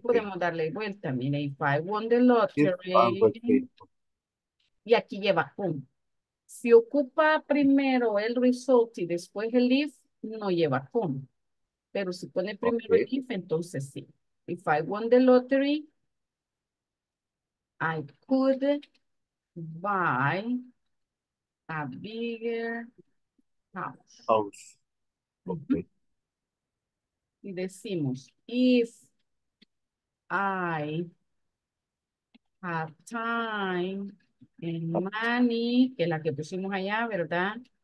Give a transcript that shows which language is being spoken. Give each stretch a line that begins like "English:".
Spanish: Podemos darle vuelta, mire,
English: if I won the lottery.
Spanish: Y aquí lleva un. Si ocupa primero el result y después el if, no lleva con. Pero si pone primero okay. El if, entonces sí.
English: If I won the lottery, I could buy a bigger house. House. Okay.
Spanish: Y decimos,
English: if I have time and money,
Spanish: que es la que pusimos allá, ¿verdad?